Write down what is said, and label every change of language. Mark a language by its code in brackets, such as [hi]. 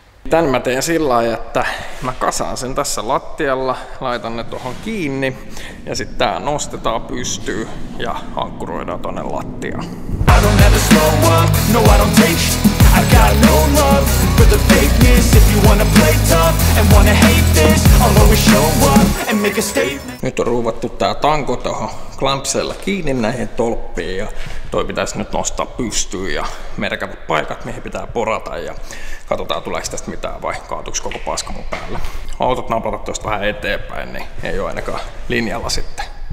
[fi] Tän mä teen sillä lailla, että mä kasaan sen tässä lattialla, laitan ne tuohon kiinni ja sitten tää nostetaan pystyy ja ankkuroidaan tuonne lattiaan. [en] I don't ever slow up, no I don't take shit. I got no love for the fakeness. If you wanna play tough and wanna hate this, I'll always show up and make a statement. [fi] Nyt on ruuvattu tää tanko tohon klampseilla kiinni näihin tolppiin ja toi pitäisi nyt nostaa pystyyn ja merkävät paikat, mihin pitää porata ja katsotaan tuleeko tästä mitään vai kaatuuko koko paska mun päälle. Autot napata tuosta vähän eteenpäin, niin ei oo ainakaan linjalla sitten.